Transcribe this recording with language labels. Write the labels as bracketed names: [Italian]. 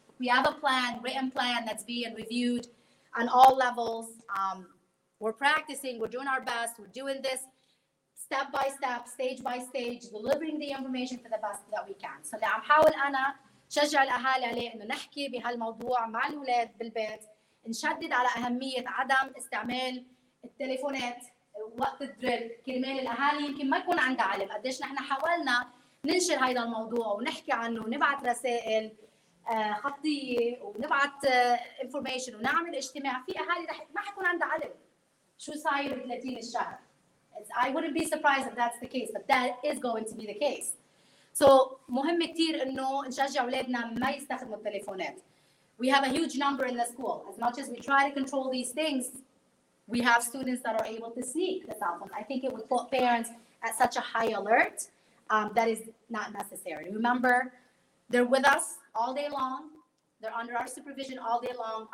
[English] We have a plan, written plan, that's being reviewed on all levels. We're practicing. We're doing our best. We're doing this step by step, stage by stage, delivering the information for the best that we can. So I'm trying to encourage the parents to talk about this topic with the children in the house. [Arabic] نشدد على أهمية عدم استعمال التليفونات وقت الدريل كرمال الأهالي يمكن ما يكون عنده علم قديش نحن حاولنا ننشر هذا الموضوع ونحكي عنه ونبعت رسائل خطية ونبعت information ونعمل اجتماع في أهالي ما حيكون عنده علم شو صاير 30 الشهر. [English] I wouldn't be surprised if that's the case, but that is going to be the case. [Arabic] So مهم كتير أنه نشجع أولادنا ما يستخدموا التليفونات. [English] We have a huge number in the school. As much as we try to control these things, we have students that are able to sneak the cell phone. I think it would put parents at such a high alert that is not necessary. Remember, they're with us all day long. They're under our supervision all day long.